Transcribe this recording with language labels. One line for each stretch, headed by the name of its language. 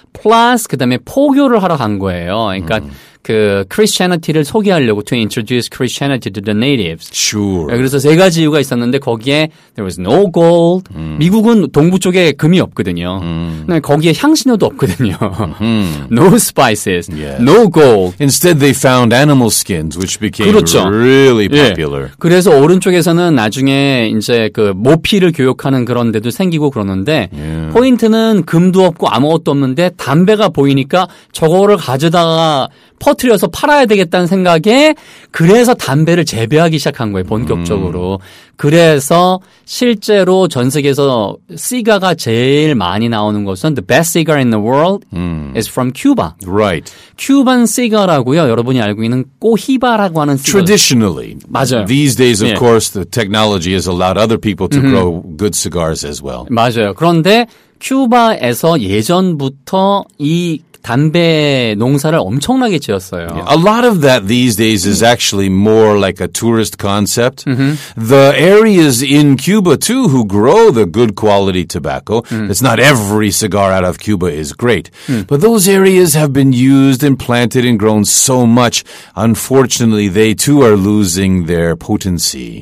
Korean: Plus 그다음에 포교를 하러 간 거예요. 그러니까 그 Christianity를 소개하려고
English: to introduce Christianity to the natives. Sure.
Korean: 그래서 세 가지 이유가 있었는데 거기에
English: there was no gold.
Korean: 미국은 동부 쪽에 금이 없거든요. 거기에 향신료도 없거든요.
English: No spices. Yes. No gold. Instead they found animal skins which became
Korean: 그렇죠.
English: really popular. 예.
Korean: 그래서 오른쪽에서는 나중에 이제 그 모피를 교육하는 그런 데도 생기고 그러는데 포인트는 금도 없고 아무것도 없는데 담배가 보이니까 저거를 가져다가 퍼트려서 팔아야 되겠다는 생각에 그래서 담배를 재배하기 시작한 거예요. 본격적으로. 그래서 실제로 전 세계에서 시가가 제일 많이 나오는 것은
English: the best cigar in the world is from Cuba. Right.
Korean: Cuban cigar라고요. 여러분이 알고 있는 꼬히바라고 하는 cigar.
English: Traditionally.
Korean: 맞아요.
English: These days, of course, the technology has allowed other people to grow good cigars as well.
Korean: 맞아요. 그런데 큐바에서 예전부터 이 담배 농사를 엄청나게 지었어요.
English: Yeah, a lot of that these days is actually more like a tourist concept. The areas in Cuba too who grow the good quality tobacco, it's not every cigar out of Cuba is great, but those areas have been used and planted and grown so much, unfortunately they too are losing their potency.